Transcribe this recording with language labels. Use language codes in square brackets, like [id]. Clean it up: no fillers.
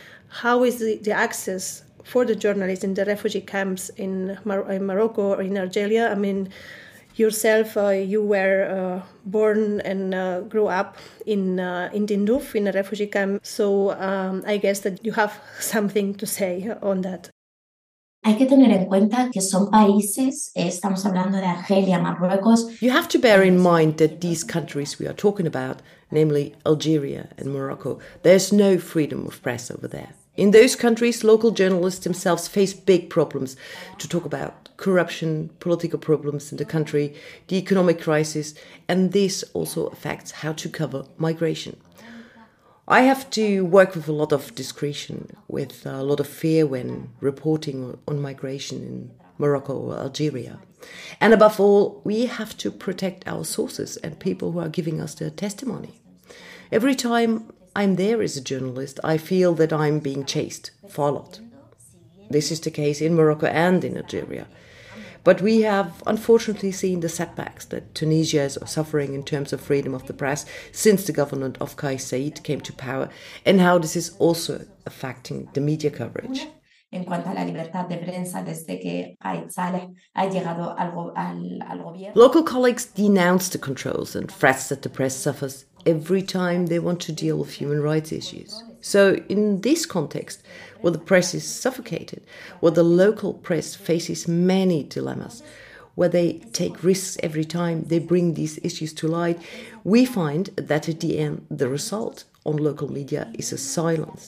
[en] How is the access for the journalists in the refugee camps in Morocco or in Algeria? I mean, yourself, you were born and grew up in Tindouf, in a refugee camp. So I guess that you have something to say on that. [es] Hay que tener en cuenta que son países, estamos hablando de Argelia, Marruecos. [en] You have to bear in mind that these countries we are talking about, namely Algeria and Morocco, there's no freedom of press over there. In those countries, local journalists themselves face big problems to talk about. Corruption, political problems in the country, the economic crisis, and this also affects how to cover migration. I have to work with a lot of discretion, with a lot of fear when reporting on migration in Morocco or Algeria. And above all, we have to protect our sources and people who are giving us their testimony. Every time I'm there as a journalist, I feel that I'm being chased, followed. This is the case in Morocco and in Algeria. But we have unfortunately seen the setbacks that Tunisia is suffering in terms of freedom of the press since the government of Kais Saied came to power, and how this is also affecting the media coverage. [es] En cuanto a la libertad de prensa desde que Kais Saied ha llegado al gobierno. [en] Local colleagues denounce the controls and threats that the press suffers every time they want to deal with human rights issues. So in this context, where the press is suffocated, where the local press faces many dilemmas, where they take risks every time they bring these issues to light, we find that at the end, the result on local media is a silence.